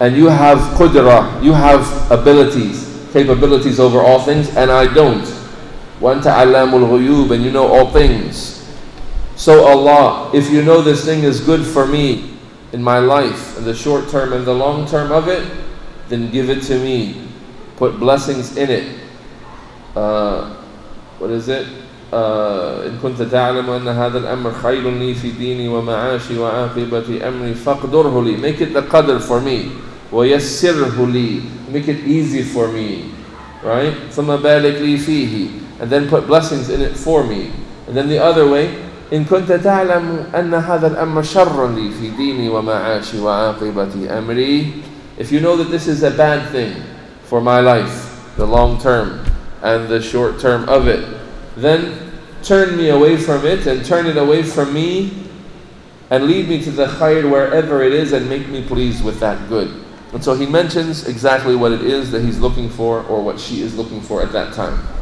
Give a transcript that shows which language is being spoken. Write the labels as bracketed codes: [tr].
[en] And you have qudra, you have abilities, capabilities over all things, and I don't. [ar] وَأَنْتَ عَلَّامُ الْغُيُوبِ. [en] And you know all things. So Allah, if you know this thing is good for me in my life, in the short term and the long term of it, then give it to me. Put blessings in it. What is it? [ar] إن كنت تعلم أن هذا الأمر خير لي في ديني ومعاشي وعاقبة أمري فقدره لي. [en] Make it the qadr for me. [ar] ويسره لي. [en] Make it easy for me. Right? [ar] ثم بالك لي فيه. [en] And then put blessings in it for me. And then the other way. [ar] إن كنت تعلم أن هذا الأمر شر لي في ديني ومعاشي وعاقبة أمري. [en] If you know that this is a bad thing for my life, the long term and the short term of it, then turn me away from it and turn it away from me and lead me to the khayr wherever it is and make me pleased with that good. And so he mentions exactly what it is that he's looking for or what she is looking for at that time.